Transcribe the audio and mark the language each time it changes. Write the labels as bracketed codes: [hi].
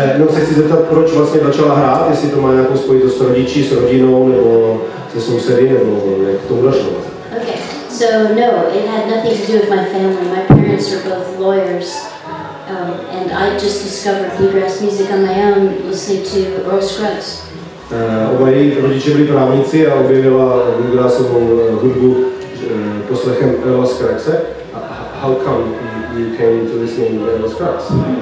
[cs] Se chci zeptat, proč vlastně začala hrát, jestli to má nějakou spojitost s rodiči, s rodinou, nebo se sousedy, nebo jak to udašlo? [en] Okay, so no, it had nothing to do with my family. My parents were both lawyers. And I just discovered bluegrass music on my own listening to Earl Scruggs. [cs] Oba její rodiče byli právníci a objevila bluegrassovou hudbu poslechem Earl Scruggs. [en] How come you came to listen to Earl Scruggs?